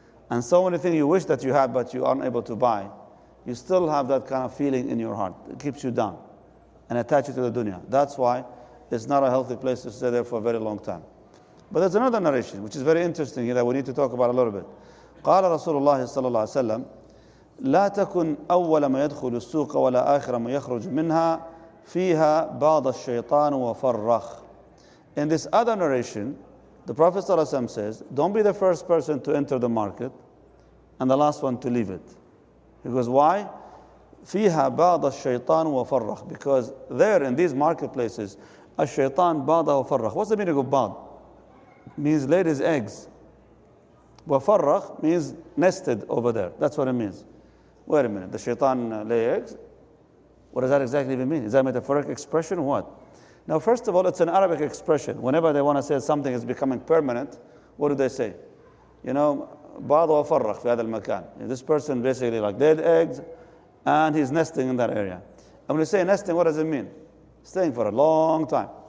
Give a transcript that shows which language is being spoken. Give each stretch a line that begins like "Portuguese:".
English: And so many things you wish that you had, but you aren't able to buy, you still have that kind of feeling in your heart. It keeps you down and attach you to the dunya. That's why it's not a healthy place to stay there for a very long time. But there's another narration, which is very interesting here, that we need to talk about a little bit.
Arabic: قال رسول الله صلى الله عليه وسلم لا تكن أول ما يدخل السوق ولا آخر ما يخرج منها فيها بعض الشيطان وفرخ.
English: In this other narration, the Prophet ﷺ says, don't be the first person to enter the market and the last one to leave it. He goes, why?
Arabic: فِيهَا بَعْضَ الشَّيْطَانُ وَفَرَّخْ.
English: Because there in these marketplaces,
Arabic: الشَّيْطَانُ بَعْضَ وَفَرَّخْ.
English: What's the meaning of بَعْض? Means laid his eggs. وَفَرَّخْ means nested over there. That's what it means. Wait a minute, the shaitan lay eggs? What does that exactly even mean? Is that a metaphoric expression or what? Now, first of all, it's an Arabic expression. Whenever they want to say something is becoming permanent, what do they say? You know,
Arabic: بعض وفرخ في هذا المكان.
English: This person basically like dead eggs, and he's nesting in that area. And when you say nesting, what does it mean? Staying for a long time.